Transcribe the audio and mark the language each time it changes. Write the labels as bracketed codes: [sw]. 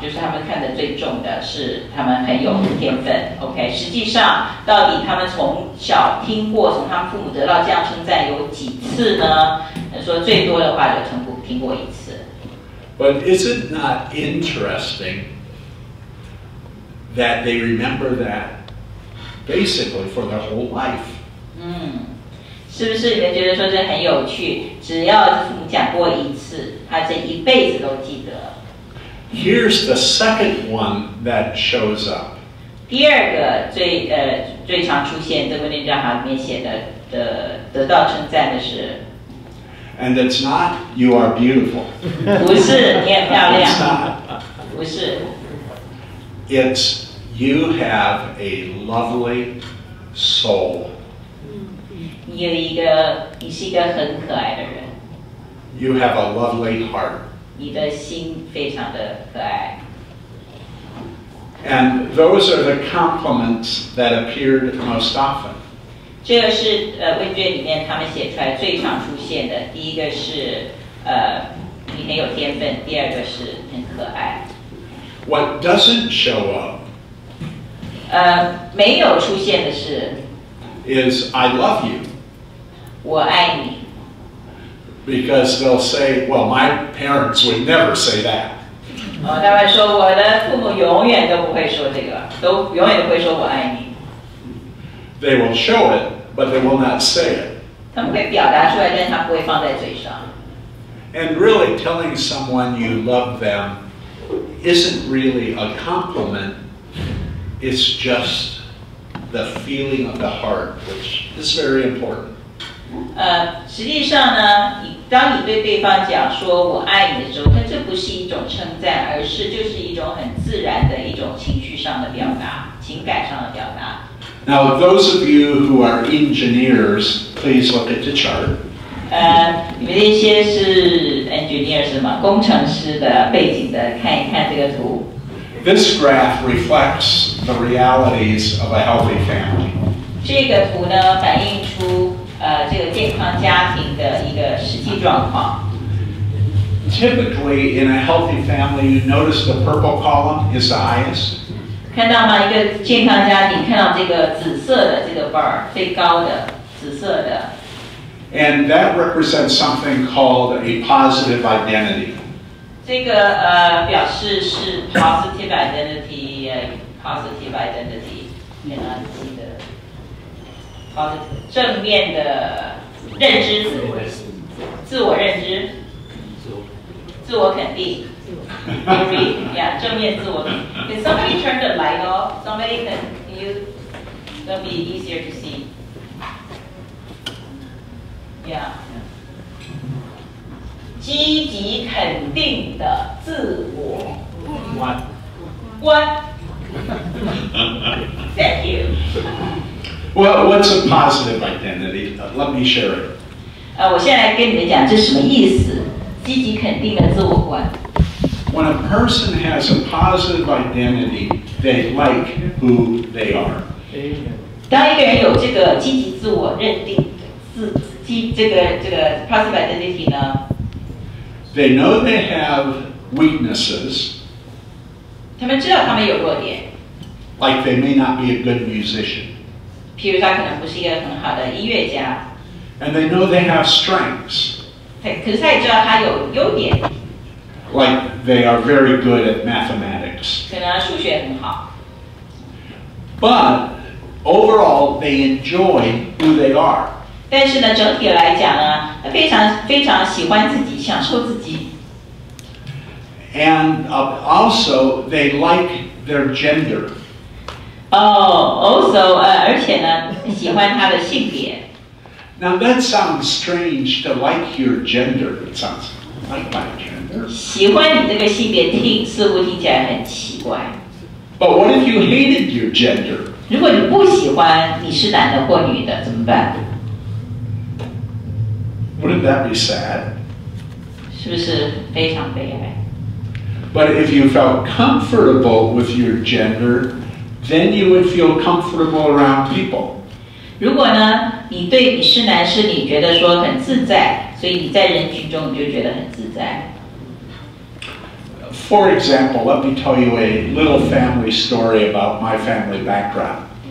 [zh] 就是他们看得最重的是他们很有天分。 OK， 实际上到底他们从小听过，从他们父母得到这样称赞有几次呢？说最多的话就听过一次。 [en] But is it not interesting that they remember that basically for their whole life. [zh] 是不是你觉得说这很有趣？只要讲过一次，他这一辈子都记得。 [en] Here's the second one that shows up. [zh] 第二个最常出现在文章里面写的得到称赞的是。 [en] And it's not you are beautiful. [zh] 不是，你很漂亮。 [en] It's not. [zh] 不是。 [en] It's you have a lovely soul. [zh] 你是一个很可爱的人。 [en] You have a lovely heart. [zh] 你的心非常的可爱。 [en] And those are the compliments that appeared most often. [zh] 这个是问卷里面他们写出来最常出现的。第一个是你很有天分，第二个是很可爱。 [en] What doesn't show up? [zh] 没有出现的是。 [en] Is I love you. [zh] 我爱你。 [en] Because they'll say, well, my parents would never say that. [zh] 他们说我的父母永远都不会说这个，都永远都不会说我爱你。 [en] They will show it, but they will not say it. [zh] 他们会表达出来，但他不会放在嘴上。 [en] And really, telling someone you love them isn't really a compliment. It's just. The feeling of the heart, which is very important. [zh] 实际上呢，当你对对方讲说我爱你的时候，它这不是一种称赞，而是就是一种很自然的一种情绪上的表达，情感上的表达。 [en] Now, those of you who are engineers, please look at the chart. [zh] 你们那些是 engineers 吗？工程师的背景的，看一看这个图。 [en] This graph reflects the realities of a healthy family. [zh] 这个图呢，反映出这个健康家庭的一个实际状况。 [en] Typically, in a healthy family, you notice the purple column is the highest. [zh] 看到吗？一个健康家庭，看到这个紫色的这个 bar 最高的紫色的。 [en] And that represents something called a positive identity. [zh] 这个表示是 positive identity, positive identity, 你能记得 positive, 正面的认知，自我认知，自我肯定，正面自我肯定。 [en] Can somebody turn the light off? Somebody can you? It'll be easier to see. Yeah. [zh] 积极肯定的自我 [en] Thank you. Well, what's a positive identity? Let me share it. [zh] 我现在跟你们讲这什么意思？积极肯定的自我观。 [en] When a person has a positive identity, they like who they are. [zh] 当一个人有这个积极自我认定这个 positive identity 呢？ [en] They know they have weaknesses. [zh] 他们知道他们有弱点。 [en] Like they may not be a good musician. [zh] 譬如他可能不是一个很好的音乐家。 [en] And they know they have strengths. [zh] 可是他也知道他有优点。 [en] Like they are very good at mathematics. [zh] 可能数学很好。 [en] But overall, they enjoy who they are. [zh] 但是呢，整体来讲啊，非常非常喜欢自己，享受自己。 [en] And also, they like their gender. [zh] 而且呢，喜欢他的性别。 [en] Now that sounds strange to like your gender. It sounds like my gender. [zh] 喜欢你这个性别似乎听起来很奇怪。 [en] But what if you hated your gender? [zh] 如果你不喜欢你是男的或女的，怎么办？ [en] Wouldn't that be sad? [zh] 是不是非常悲哀? [en] But if you felt comfortable with your gender, then you would feel comfortable around people. [zh] 如果呢，你对你是男是女，觉得说很自在，所以你在人群中你就觉得很自在。 [en] For example, let me tell you a little family story about my family background.